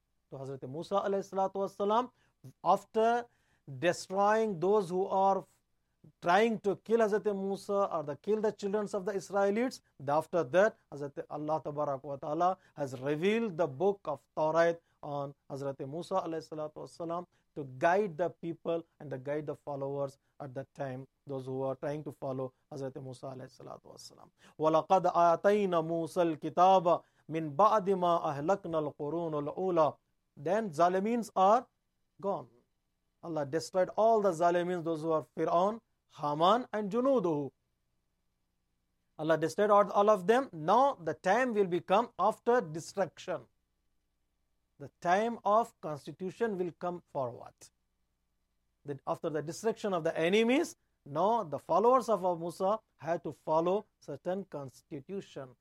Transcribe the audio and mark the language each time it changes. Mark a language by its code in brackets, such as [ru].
[en] To Hazrat Musa alayhi salatu wasalam, after destroying those who are trying to kill Hazrat Musa or the kill the children of the Israelites, after that Hazrat Allah tabarak wa ta'ala has revealed the book of Tawrat on Hazrat Musa alayhi salatu wasalam to guide the people and to guide the followers at that time, those who are trying to follow Hazrat Musa alayhi salatu wasalam. [ar] وَلَقَدْ آتَيْنَا مُوسَى الْكِتَابَ مِنْ بَعْدِ مَا أَهْلَكْنَا الْقُرُونُ الْأُولَى. [en] Then zalimins are gone. Allah destroyed all the zalimins, those who are Fir'aun, Haman, and Junuduhu. Allah destroyed all of them. Now the time will become after destruction. The time of constitution will come for what? That after the destruction of the enemies, now the followers of Abu Musa have to follow certain constitution.